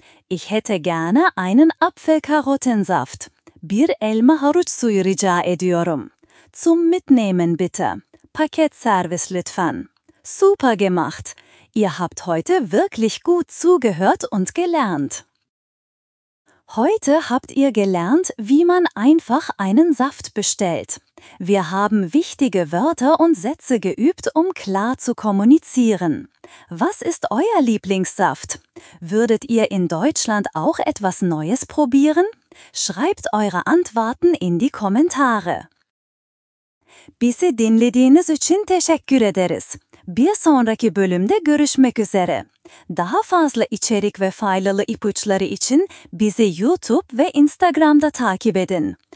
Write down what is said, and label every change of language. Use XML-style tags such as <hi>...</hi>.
<de>Ich hätte gerne einen Apfelkarottensaft.</de> <tr>Bir elma haruç suyu rica ediyorum.</tr> <de>Zum Mitnehmen bitte. Paketservice lütfen. Super gemacht. Ihr habt heute wirklich gut zugehört und gelernt. Heute habt ihr gelernt, wie man einfach einen Saft bestellt. Wir haben wichtige Wörter und Sätze geübt, um klar zu kommunizieren. Was ist euer Lieblingssaft? Würdet ihr in Deutschland auch etwas Neues probieren? Schreibt eure Antworten in die Kommentare.</de> <tr>Bizi dinlediğiniz için teşekkür ederiz. Bir sonraki bölümde görüşmek üzere. Daha fazla içerik ve faydalı ipuçları için bizi YouTube ve Instagram'da takip edin.</tr>